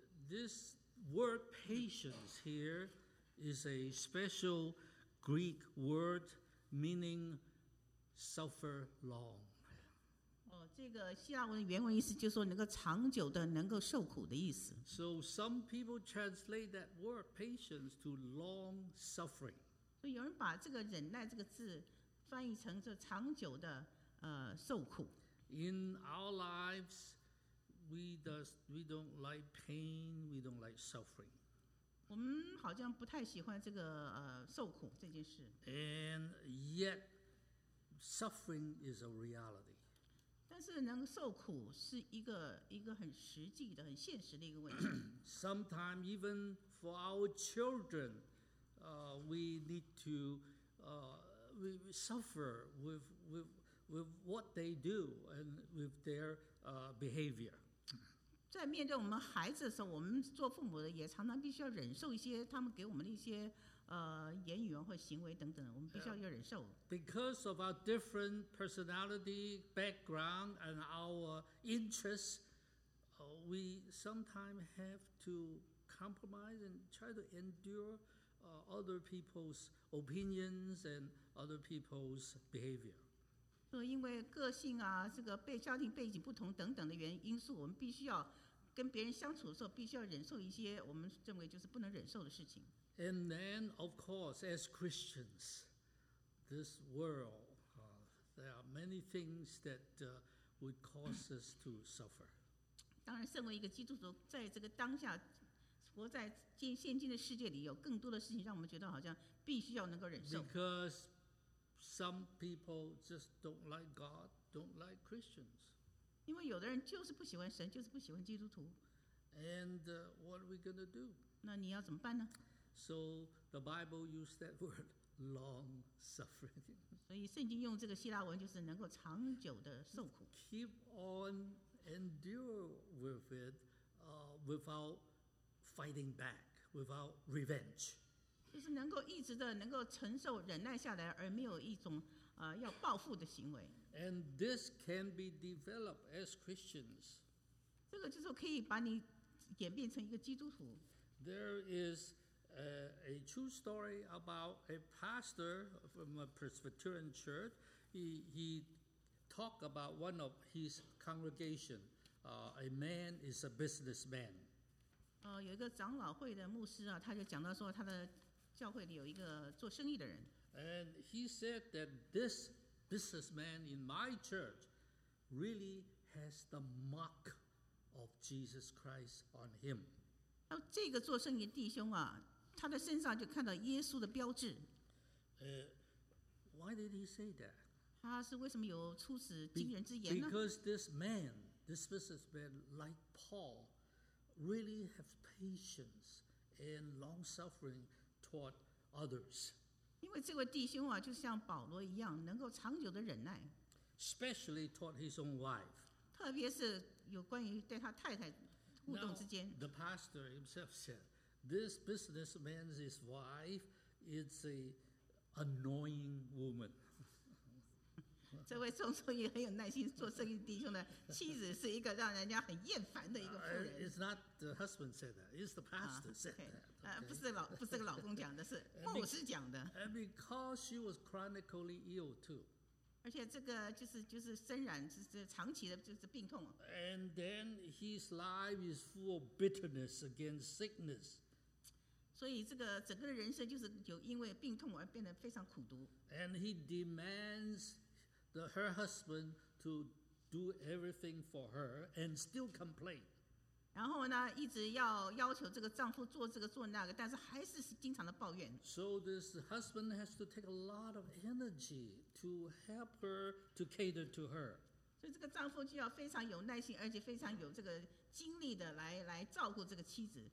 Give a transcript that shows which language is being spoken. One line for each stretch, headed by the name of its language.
English: this word patience here is a special Greek word meaning suffer long.
Chinese: 哦，这个希腊文的原文意思就是说能够长久的、能够受苦的意思。
English: So some people translate that word patience to long suffering.
Chinese: 所以有人把这个忍耐这个字翻译成就长久的受苦。
English: In our lives, we don't like pain, we don't like suffering.
Chinese: 我们好像不太喜欢这个受苦这件事。
English: And yet, suffering is a reality.
Chinese: 但是能受苦是一个很实际的、很现实的一个问题。
English: Sometimes even for our children, we need to we suffer with what they do and with their behavior.
Chinese: 在面对我们孩子的时候，我们做父母的也常常必须要忍受一些他们给我们的一些言语或行为等等，我们必须要忍受。
English: Because of our different personality background and our interests, we sometimes have to compromise and try to endure other people's opinions and other people's behavior.
Chinese: 因为个性啊，这个被家庭背景不同等等的原因素，我们必须要跟别人相处的时候，必须要忍受一些我们认为就是不能忍受的事情。
English: And then, of course, as Christians, this world, there are many things that would cause us to suffer.
Chinese: 当然，身为一个基督徒，在这个当下。活在现今的世界里，有更多的事情让我们觉得好像必须要能够忍受。
English: Because some people just don't like God, don't like Christians.
Chinese: 因为有的人就是不喜欢神，就是不喜欢基督徒。
English: And what are we going to do?
Chinese: 那你要怎么办呢？
English: So the Bible used that word, long suffering.
Chinese: 所以圣经用这个希腊文就是能够长久的受苦。
English: Keep on endure with it, without fighting back without revenge.
Chinese: 就是能够一直的能够承受忍耐下来而没有一种要报复的行为。
English: And this can be developed as Christians.
Chinese: 这个就是可以把你演变成一个基督徒。
English: There is a true story about a pastor from a Presbyterian church. He talked about one of his congregation. A man is a businessman.
Chinese: 有一个长老会的牧师啊，他就讲到说他的教会里有一个做生意的人。
English: And he said that this businessman in my church really has the mark of Jesus Christ on him.
Chinese: 这个做生意的弟兄啊，他的身上就看到耶稣的标志。
English: Why did he say that?
Chinese: 他是为什么有出此惊人之言呢？
English: Because this businessman like Paul,really have patience and long suffering toward others.
Chinese: 因为这位弟兄啊，就像保罗一样，能够长久的忍耐。
English: Especially toward his own wife.
Chinese: 特别是有关于对他太太互动之间。
English: Now, the pastor himself said, this businessman's his wife is an annoying woman.
Chinese: 这位宋宋也很有耐心做生意弟兄的妻子是一个让人家很厌烦的一个妇人。
English: It's not the husband said that. It's the pastor said that.
Chinese: 不是老公讲的，是牧师讲的。
English: And because she was chronically ill too.
Chinese: 而且这个就是身染是长期的就是病痛。
English: And then his life is full of bitterness against sickness.
Chinese: 所以这个整个人生就是有因为病痛而变得非常苦毒。
English: And he demands. Her husband to do everything for her and still complain.
Chinese: 然后呢，一直要求这个丈夫做这个做那个，但是还是经常的抱怨。
English: So this husband has to take a lot of energy to help her to cater to her.
Chinese: 所以这个丈夫就要非常有耐心，而且非常有这个精力的来照顾这个妻子。